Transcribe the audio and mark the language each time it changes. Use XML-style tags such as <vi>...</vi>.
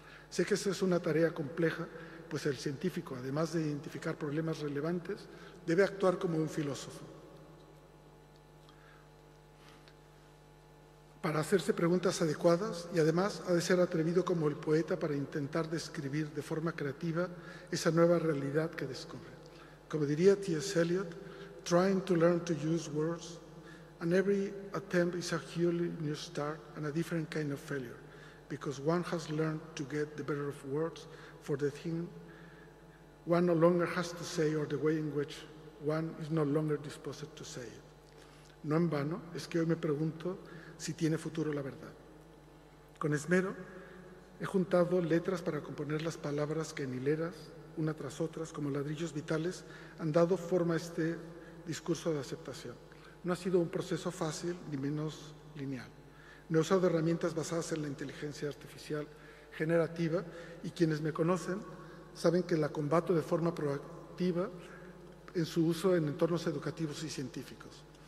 <es>Sé que esa es una tarea compleja, pues el científico, además de identificar problemas relevantes, debe actuar como un filósofo, para hacerse preguntas adecuadas y además ha de ser atrevido como el poeta para intentar describir de forma creativa esa nueva realidad que descubre. Como diría T.S.</es> <en>Eliot, trying to learn to use words, and every attempt is a wholly new start and a different kind of failure, because one has learned to get the better of words for the thing one no longer has to say or the way in which one is no longer disposed to say it.</en> <es>No en vano es que hoy me pregunto si tiene futuro la verdad. Con esmero he juntado letras para componer las palabras que en hileras, una tras otras, como ladrillos vitales, han dado forma a este discurso de aceptación. No ha sido un proceso fácil ni menos lineal. No he usado herramientas basadas en la inteligencia artificial generativa y quienes me conocen saben que la combato de forma proactiva en su uso en entornos educativos y científicos.</es>